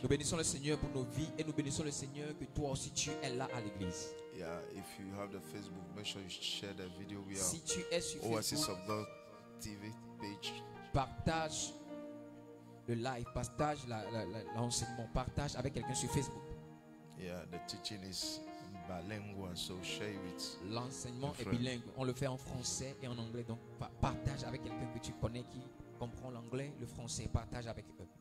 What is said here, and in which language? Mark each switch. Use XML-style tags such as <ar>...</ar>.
<fr>Nous bénissons le Seigneur pour nos vies et nous bénissons le Seigneur que toi aussi tu es là à l'église.</fr> <en>Yeah, if you have the Facebook, make sure you share the video. We are</en> <fr>si tu es sur</fr> <en>Oasis of God TV page.</en> <fr>Partage le live, partage l'enseignement, partage avec quelqu'un sur Facebook.</fr> <en>Yeah, the teaching is bilingual, so share with.</en> <fr>L'enseignement est bilingue. On le fait en français et en anglais, donc partage avec quelqu'un que tu connais qui comprend l'anglais, le français, partage avec eux.</fr>